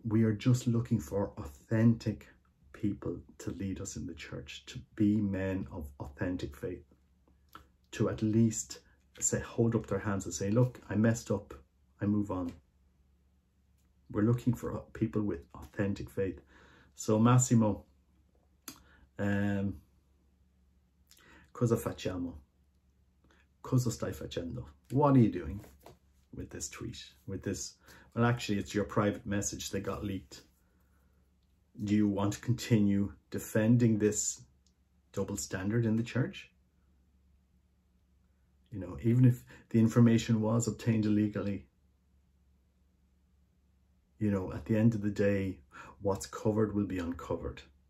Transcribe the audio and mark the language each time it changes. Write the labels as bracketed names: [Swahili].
[English] We are just looking for authentic people to lead us in the church, to be men of authentic faith, to at least say, hold up their hands and say, look, I messed up. I move on. We're looking for people with authentic faith. [Italian] So Massimo, cosa facciamo? Cosa stai facendo? [English] What are you doing with this tweet? With this? Well, actually, it's your private message that got leaked. Do you want to continue defending this double standard in the church? You know, even if the information was obtained illegally, you know, at the end of the day, what's covered will be uncovered.